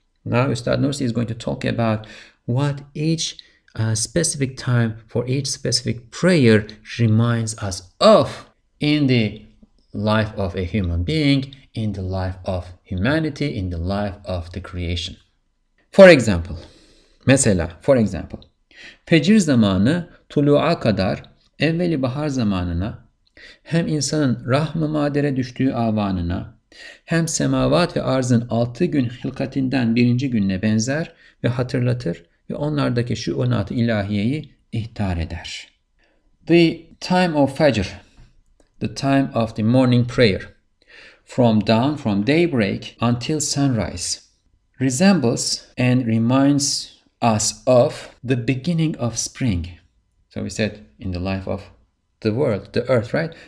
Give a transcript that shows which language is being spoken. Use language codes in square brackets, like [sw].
[en] Now Ustad Nursi is going to talk about what each specific time for each specific prayer reminds us of in the life of a human being, in the life of humanity, in the life of the creation. For example, [tr] mesela, [en] for example, [tr] fecir zamanı tulu'a kadar evveli bahar zamanına, hem insanın rahm-ı madere düştüğü avanına, hem semavat ve arzın 6 gün hilkatinden 1. güne benzer ve hatırlatır ve onlardaki şu şuunat-ı ilahiyeyi ihtar eder. [en] The time of fajr, the time of the morning prayer, from dawn, from daybreak until sunrise, resembles and reminds us of the beginning of spring. So we said in the life of the world, the earth, right?